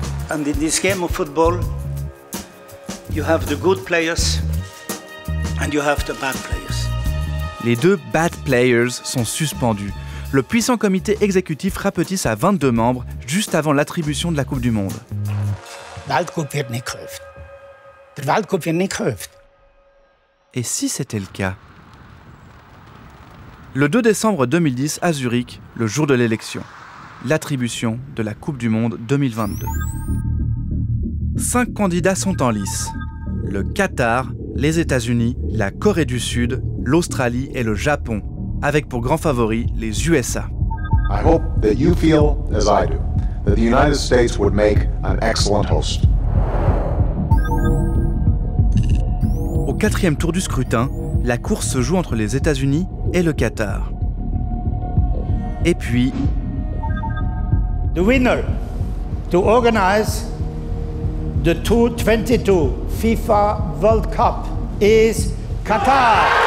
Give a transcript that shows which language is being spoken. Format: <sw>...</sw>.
<en>And in this game of football, you have the good players and you have the bad players.</en> <fr>Les deux</fr> <en>bad players</en> <fr>sont suspendus. Le puissant comité exécutif rapetisse à 22 membres juste avant l'attribution de la Coupe du Monde. Et si c'était le cas? Le 2 décembre 2010, à Zurich, le jour de l'élection. L'attribution de la Coupe du Monde 2022. 5 candidats sont en lice. Le Qatar, les États-Unis, la Corée du Sud, l'Australie et le Japon, avec pour grands favoris les USA.</fr> <en>I hope that you feel as I do, that the United States would make an excellent host.</en> <fr>Au quatrième tour du scrutin, la course se joue entre les États-Unis et le Qatar. Et puis...</fr> <en>The winner to organize the 2022 FIFA World Cup is Qatar.</en>